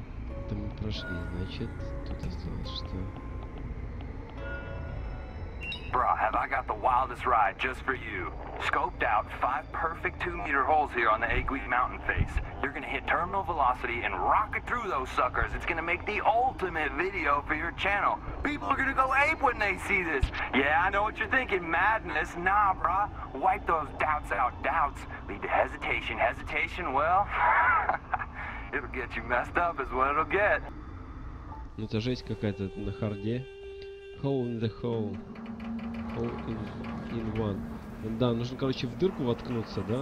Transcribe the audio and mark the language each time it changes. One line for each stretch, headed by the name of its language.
Russian: Жесть. Это мы прошли, значит, тут осталось что.
English: Bro, have I got the wildest ride just for you. Scoped out 5 perfect 2-meter holes here on the Aigwee mountain face. You're gonna hit terminal velocity and rocket through those suckers. It's gonna make the ultimate video for your channel. People are gonna go ape when they see this. Yeah, I know what you're thinking. Madness. Nah, brah. Wipe those doubts out. Doubts lead to hesitation. Hesitation, well, it'll get you messed up is what it'll get.
Russian: Ну это жесть какая-то на харде.
English: Hole in the hole. Hole in one.
Russian: Да, нужно, короче, в дырку воткнуться, да?